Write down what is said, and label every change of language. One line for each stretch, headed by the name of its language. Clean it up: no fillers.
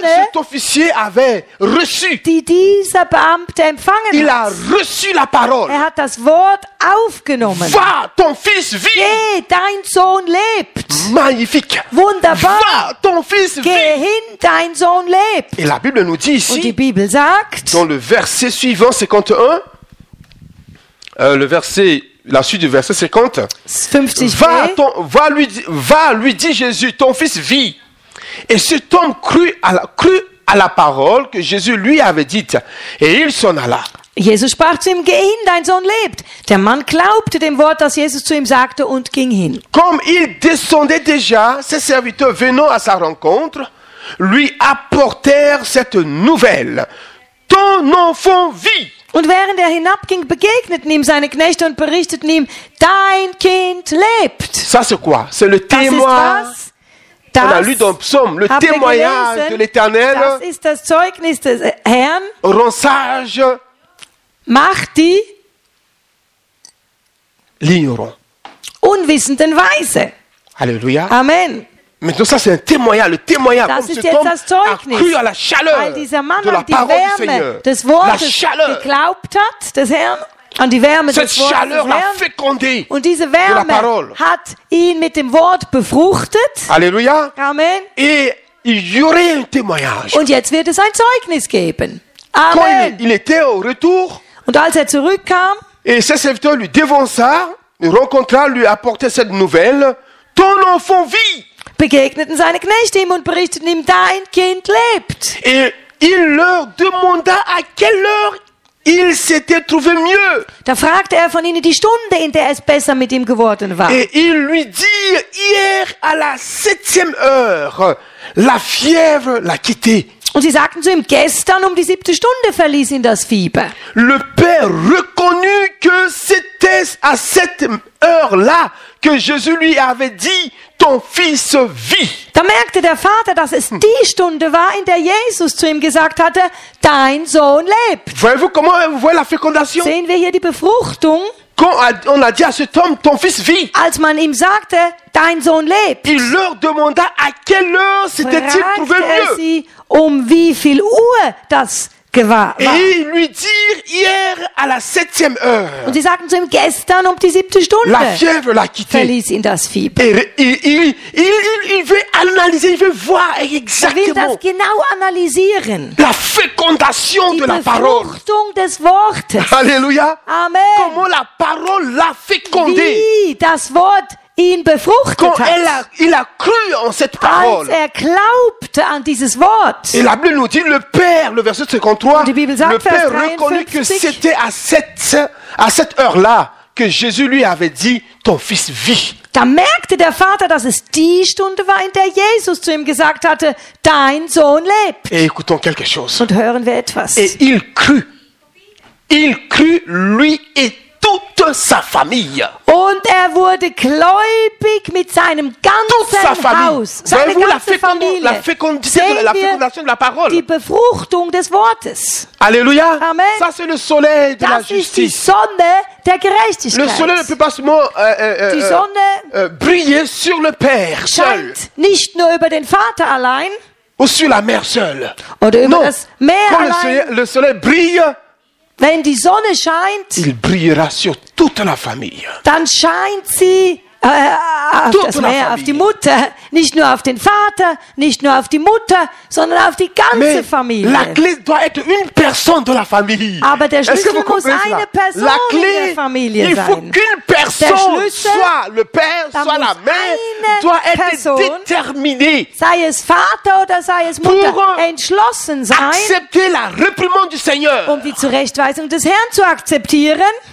French: Que cet officier avait reçu.
German: Die dieser Beamte empfangen
French: hat. Il a reçu la parole.
German: Er hat das Wort aufgenommen.
French: Va, ton fils vit.
German: Geh, dein Sohn lebt.
French: Magnifique.
German: Wunderbar.
French: Va, ton fils vit.
German: Geh hin, dein Sohn lebt.
French: Et la Bible nous dit ici.
German: Und die Bibel sagt.
French: Dans le verset suivant, 51. Le verset. La suite du verset 50. 50. Va lui dit Jésus, ton fils vit. Et cet homme crut à la parole que Jésus lui avait dite. Et il s'en alla.
German: Jesus sprach zu ihm, geh hin, dein Sohn lebt. Der Mann glaubte dem Wort, das Jesus zu ihm sagte, und ging hin.
French: Comme il descendait déjà, ses serviteurs venant à sa rencontre, lui apportèrent cette nouvelle. Ton enfant vit.
German: Und während er hinabging, begegneten ihm seine Knechte und berichteten ihm, dein Kind lebt.
French: Ça, c'est quoi? C'est le
German: das ist was?
French: On a lu dans le psaume, le témoignage de l'Éternel.
German: Das ist das Zeugnis des Herrn.
French: Rend sage.
German: Macht die
French: l'ignorant.
German: Unwissenden weise.
French: Alléluia. Amen. Mais donc ça c'est un témoignage, le témoignage das comme ce homme a cru à la chaleur de la parole du Seigneur, la chaleur
German: geglaubt hat des Herrn, an die Wärme
French: cette
German: des
French: chaleur l'a fécondé
German: und diese Wärme
French: de la parole
German: hat ihn mit dem Wort befruchtet.
French: Alléluia. Amen. Et il y aurait un témoignage.
German: Und jetzt wird es ein Zeugnis geben.
French: Amen. Quand il était au retour
German: und als er zurückkam
French: et ses serviteurs lui devança, le rencontra, lui apportait cette nouvelle, ton enfant vit.
German: Begegneten seine Knechte ihm und berichteten ihm, dein Kind lebt.
French: Et Il leur demanda à quelle heure il s'était trouvé mieux.
German: Da fragte er von ihnen die Stunde, in der es besser mit ihm geworden war.
French: Et ils lui dirent, hier à la septième heure, la fièvre l'a quitté.
German: Und sie sagten zu ihm, gestern um die siebte Stunde verließ ihn das Fieber.
French: Le père reconnut que c'était à cette heure-là que Jésus lui avait dit, ton fils vit.
German: Da merkte der Vater, dass es die Stunde war, in der Jesus zu ihm gesagt hatte, dein Sohn lebt.
French: Voyez-vous comment vous voyez la fécondation?
German: Sehen wir hier die Befruchtung?
French: Quand on a dit à cet homme, ton fils vit.
German: Als man ihm sagte, dein Sohn lebt.
French: Il leur demanda à quelle heure s'était-il trouvé mieux.
German: Sie, um wie viel Uhr das war.
French: Et ils lui dirent hier à la septième heure.
German: Und sie sagten zu ihm gestern um die siebte Stunde.
French: La fièvre l'a quitté.
German: Verließ ihn das Fieber.
French: Il veut analyser, il veut voir exactement.
German: Will das genau analysieren.
French: La fécondation
German: die
French: de la
German: Befruchtung Des Wortes.
French: Alléluia. Amen. Comment la parole l'a fécondé.
German: Wie das Wort ihn befruchtet
French: quand
German: hat.
French: Elle a, il a cru en cette parole.
German: Als er glaubte an dieses Wort.
French: Et la Bible nous dit, le Père, le verset 53,
German: die Bibel sagt,
French: le Père 53, reconnut que c'était à cette heure-là que Jésus lui avait dit, ton fils vit.
German: Da merkte der Vater, dass es die Stunde war, in der Jesus zu ihm gesagt hatte, dein Sohn lebt.
French: Et écoutons quelque chose.
German: Und hören wir etwas.
French: Et il crut lui et toute sa famille.
German: Und er wurde gläubig mit seinem ganzen Haus. Seine ganze Familie. Sehen wir die Befruchtung des Wortes.
French: Alléluia. Amen. Ça, c'est le soleil de
German: das
French: la justice.
German: Ist die Sonne der Gerechtigkeit.
French: Le soleil ne peut pas seulement,
German: die Sonne
French: briller sur le Père
German: scheint
French: seul.
German: Nicht nur über den Vater allein.
French: Ou sur la mère seule.
German: Oder über non. Das Meer
French: quand
German: allein.
French: Le soleil brille.
German: Wenn die Sonne scheint,
French: il brillera sur toute la famille.
German: Dann scheint sie auf, das Meer, auf die Mutter, nicht nur auf den Vater, nicht nur auf die Mutter, sondern auf die ganze
French: Mais
German: Familie.
French: La clé doit être une personne de la famille.
German: Aber der Schlüssel muss eine Person
French: la clé,
German: in der Familie sein.
French: Il faut qu'une personne, soit le père, soit la mère, doit être déterminée.
German: Sei es Vater oder sei es Mutter, entschlossen sein,
French: accepter la réprimande du Seigneur.
German: Um die Zurechtweisung des Herrn zu akzeptieren.